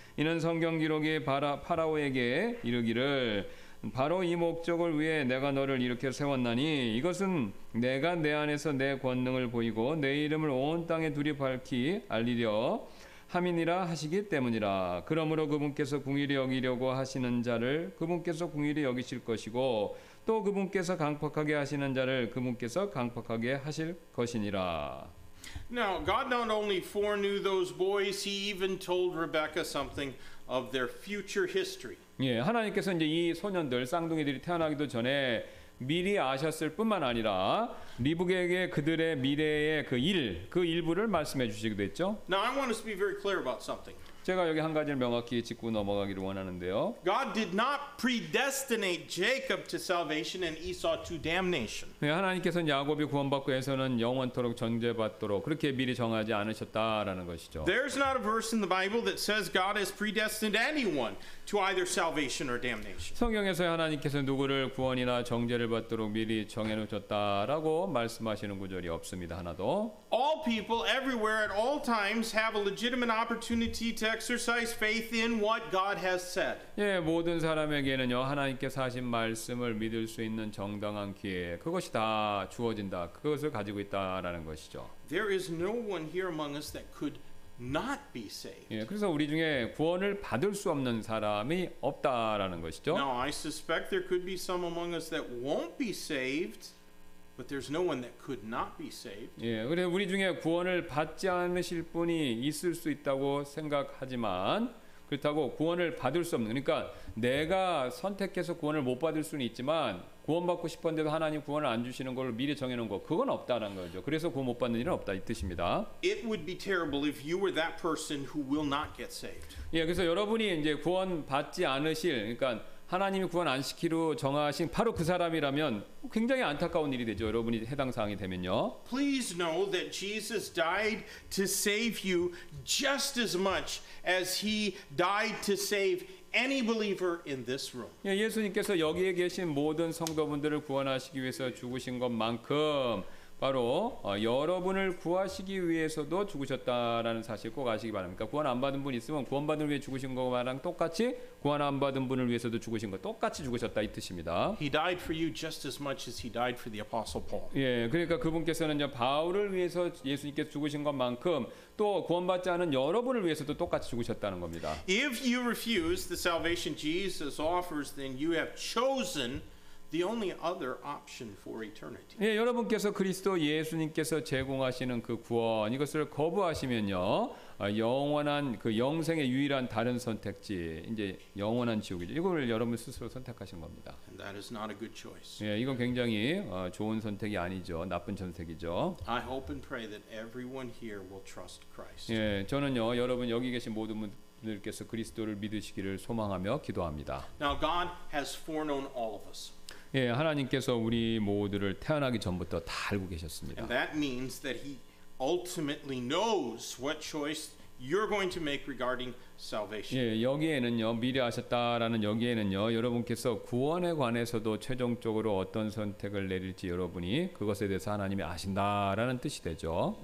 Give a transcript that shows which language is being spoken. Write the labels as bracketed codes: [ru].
[ko] 이는 성경 기록이 파라오에게 이르기를 바로 이 목적을 위해 내가 너를 이렇게 세웠나니 이것은 내가 내 안에서 내 권능을 보이고 내 이름을 온 땅에 두리 밝히 알리려 함이니라 하시기 때문이라. 그러므로 그분께서 궁휼히 여기려고 하시는 자를 그분께서 궁휼히 여기실 것이고 또 그분께서 강퍅하게 하시는 자를 그분께서 강퍅하게 하실 것이니라. [en] Now God not only foreknew those boys, he even told Rebecca something of their future history. [ko] 예, 하나님께서 이제 이 소년들 쌍둥이들이 태어나기도 전에 미리 아셨을 뿐만 아니라 리브에게 그들의 미래의 그 일, 그 일부를 말씀해 주시기도 했죠. [en] Now I want us to be very clear about something. [ko] 제가 여기 한 가지를 명확히 짚고 넘어가기를 원하는데요. [en] God did not predestinate Jacob to salvation and Esau to damnation. [ko] 네, 하나님께서 야곱이 구원받고 에서는 영원토록 정죄받도록 그렇게 미리 정하지 않으셨다라는 것이죠. [en] There's not a verse in the Bible that says God has predestined anyone to either salvation or damnation. [ko] 성경에서 하나님께서 누구를 구원이나 정죄를 받도록 미리 정해 놓으셨다라고 말씀하시는 구절이 없습니다. 하나도. [en] All people everywhere at all times have a legitimate opportunity to exercise faith in what God has said. [ko] 예, 모든 사람에게는요. 하나님께서 하신 말씀을 믿을 수 있는 정당한 기회 그것이 다 주어진다. 그것을 가지고 있다라는 것이죠. [en] There is no one here among us that could not be saved. [ko] 예, 그래서 우리 중에 구원을 받을 수 없는 사람이 없다라는 것이죠. [en] Now I suspect there could be some among us that won't be saved, but there's no one that could not be saved. [ko] 예, 그래 우리 중에 구원을 받지 않으실 분이 있을 수 있다고 생각하지만 그렇다고 구원을 받을 수 없는 그러니까 내가 선택해서 구원을 못 받을 수는 있지만 구원받고 싶었는데도 하나님 구원을 안 주시는 걸 미리 정해놓은 거 그건 없다는 거죠. 그래서 구원 못 받는 일은 없다 이 뜻입니다. [en] It would be terrible if you were that person who will not get saved. [ko] 예, 그래서 여러분이 이제 구원 받지 않으실 그러니까 하나님이 구원 안 시키로 정하신 바로 그 사람이라면 굉장히 안타까운 일이 되죠. 여러분이 해당 사항이 되면요. [en] Please know that Jesus died to save you just as much as he died to save any believer in this room. [ko] 예수님께서 여기에 계신 모든 성도분들을 구원하시기 위해서 죽으신 것만큼 바로 여러분을 구하시기 위해서도 죽으셨다라는 사실 꼭 아시기 바랍니다. 구원 안 받은 분 있으면 구원 받은 위해 죽으신 것과랑 똑같이 구원 안 받은 분을 위해서도 죽으신 것 똑같이 죽으셨다 이 뜻입니다. [en] He died for you just as much as he died for the apostle Paul. [ko] 예, 그러니까 그분께서는요 바울을 위해서 예수님께서 죽으신 것만큼 또 구원 받지 않은 여러분을 위해서도 똑같이 죽으셨다는 겁니다. [en] If you refuse the salvation Jesus offers, then you have chosen the only other option for eternity. [ko] 예, 여러분께서 그리스도 예수님께서 제공하시는 그 구원 이것을 거부하시면요 영원한 그 영생의 유일한 다른 선택지 이제 영원한 지옥이죠. 이걸 여러분 스스로 선택하신 겁니다. [en] And that is not a good choice. [ko] 예, 이건 굉장히 좋은 선택이 아니죠. 나쁜 선택이죠. [en] I hope and pray that everyone here will trust Christ. [ko] 예, 저는요 여러분 여기 계신 모든 분 들께서 그리스도를 믿으시기를 소망하며 기도합니다. [en] Now God has foreknown all of us. [ko] 예, 하나님께서 우리 모두를 태어나기 전부터 다 알고 계셨습니다. [en] And that means that he ultimately knows what choice you're going to make regarding salvation. [ko] 예, 여기에는요, 미리 아셨다라는 여기에는요, 여러분께서 구원에 관해서도 최종적으로 어떤 선택을 내릴지 여러분이 그것에 대해서 하나님이 아신다라는 뜻이 되죠.